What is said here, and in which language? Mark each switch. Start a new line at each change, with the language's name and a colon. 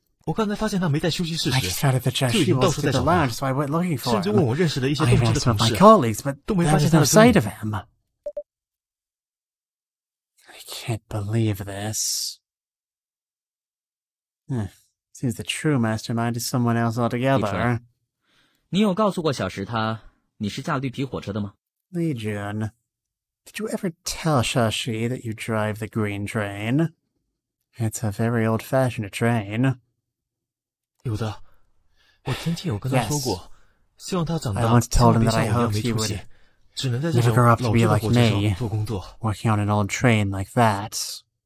English: I just found out that Joshi was in the lounge, so I went looking for him. I ran into my colleagues, but there was no sight of him. I can't believe this. Seems the true mastermind is someone else altogether.
Chinese: 李纯，你有告诉过小石他你是驾绿皮火车的吗？
English: Legion, did you ever tell Shashi that you drive the green train? It's a very old-fashioned train.
Chinese: 有的，我前天有跟他说过，
English: yes.
Chinese: 希望他长大。
English: I once told him that I hoped he would never grow up to be like me, working on an old train like that.